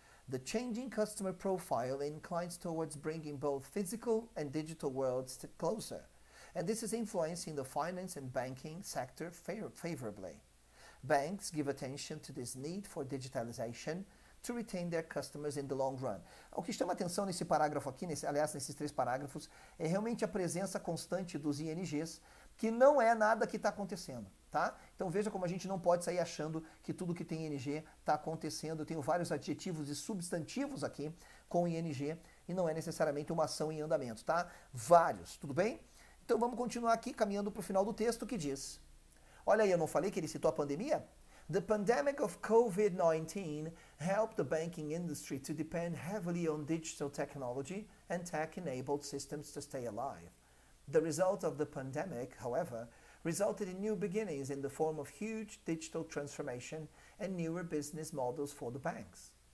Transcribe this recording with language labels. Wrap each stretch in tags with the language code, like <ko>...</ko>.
<en>The changing customer profile inclines towards bringing both physical and digital worlds closer, and this is influencing the finance and banking sector favorably. Banks give attention to this need for digitalization to retain their customers in the long run.</en> <pt>O que chama atenção nesse parágrafo aqui, nesses três parágrafos, é realmente a presença constante dos INGs, que não é nada que está acontecendo, tá? Então veja como a gente não pode sair achando que tudo que tem ING está acontecendo. Eu tenho vários adjetivos e substantivos aqui com ING e não é necessariamente uma ação em andamento, tá? Vários, tudo bem? Então vamos continuar aqui caminhando para o final do texto que diz. Olha aí, eu não falei que ele citou a pandemia?</pt> <en>The pandemic of COVID-19 helped the banking industry to depend heavily on digital technology and tech-enabled systems to stay alive. The result of the pandemic, however, resulted in new beginnings in the form of huge digital transformation and newer business models for the banks.</en>